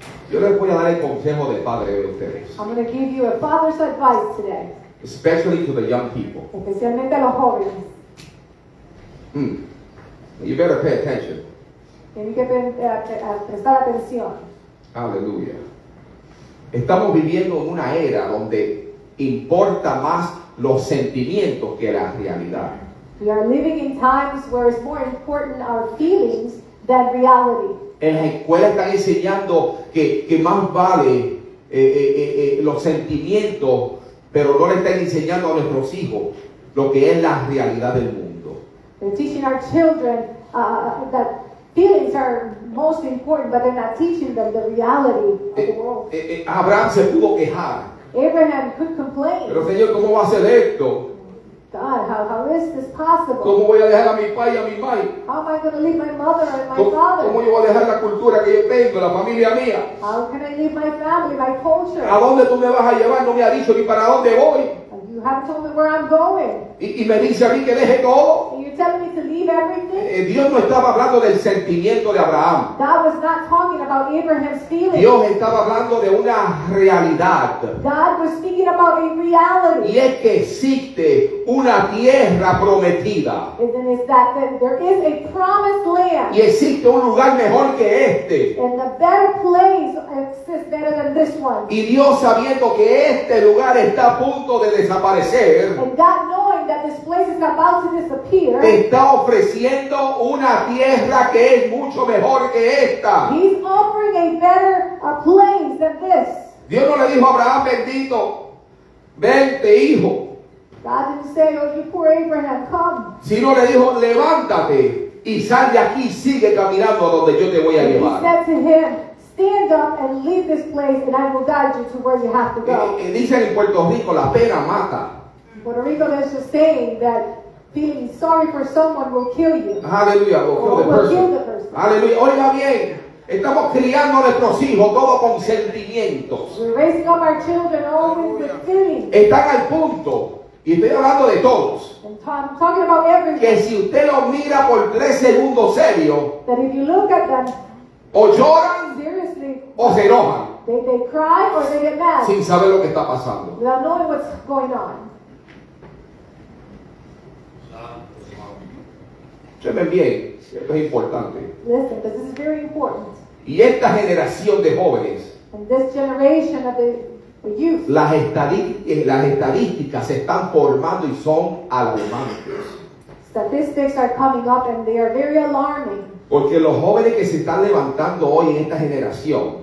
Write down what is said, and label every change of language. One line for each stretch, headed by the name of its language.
Spanish: Yo les voy a dar el consejo de padre de ustedes.
English: I'm going to give you a father's advice today. Especially to the young people.
Spanish: Especialmente a los jóvenes.
English: You better pay attention.
Spanish: Tienen que prestar atención. Aleluya. Estamos viviendo en una era donde importa más los sentimientos que la realidad.
English: We are living in times where it's more important our feelings than reality.
Spanish: En la escuela están enseñando que más vale los sentimientos, pero no le están enseñando a nuestros hijos lo que es la realidad del mundo.
English: They're teaching our children that feelings are most important, but they're not teaching them the reality of the world.
Spanish: Abraham se pudo quejar.
English: Abraham could complain.
Spanish: Pero Señor, ¿cómo va a ser esto?
English: God, how is this possible?
Spanish: ¿Cómo voy a dejar a mi padre y a mi madre?
English: How am I going to leave my mother and my father?
Spanish: ¿Cómo yo voy a dejar la cultura que yo tengo, la familia mía?
English: How can I leave my family, my culture?
Spanish: ¿A dónde tú me vas a llevar? No me ha dicho ni para dónde voy.
English: You haven't told me where I'm going.
Spanish: Y me dice a mí que deje todo.
English: And you're telling me to leave everything?
Spanish: Dios no estaba hablando del sentimiento de Abraham.
English: God was not talking about Abraham's feelings.
Spanish: Dios estaba hablando de una realidad.
English: God was speaking about a reality.
Spanish: Y es que existe una tierra prometida.
English: And is that there is a promised land.
Spanish: Y existe un lugar mejor que este.
English: And a better place exists better than this one.
Spanish: Y Dios sabiendo que este lugar está a punto de desaparecer.
English: And God knows that this place is about to disappear.
Spanish: Te está ofreciendo una tierra que es mucho mejor que esta.
English: He's offering a better place than this.
Spanish: Dios no le dijo a Abraham, bendito, vente, hijo.
English: God didn't say, oh, you poor Abraham, come.
Spanish: Sino le dijo, levántate y sal de aquí, sigue caminando a donde yo te voy a
English: and
Spanish: llevar.
English: He said to him, stand up and leave this place and I will guide you to where you have to go.
Spanish: Y dicen en Puerto Rico, la pena mata.
English: Puerto Rico is just saying that feeling sorry for someone will kill you. Hallelujah. Will kill the person.
Spanish: Hallelujah. Oiga bien. Estamos criando a nuestros hijos todos con sentimientos.
English: We're raising up our children always with feelings.
Spanish: Están al punto. Y estoy hablando de todos.
English: I'm talking about everything.
Spanish: Que si usted los mira por tres segundos serio,
English: that if you look at them,
Spanish: o lloran,
English: seriously,
Spanish: o se enojan.
English: They cry or they get mad.
Spanish: Sin saber lo que está pasando.
English: Without knowing what's going on.
Spanish: Escuchen bien, esto es importante.
English: Listen, this is very important.
Spanish: Y esta generación de jóvenes,
English: and this generation of the youth,
Spanish: las estadísticas se están formando y son alarmantes.
English: Statistics are coming up and they are very alarming.
Spanish: Porque los jóvenes que se están levantando hoy en esta generación,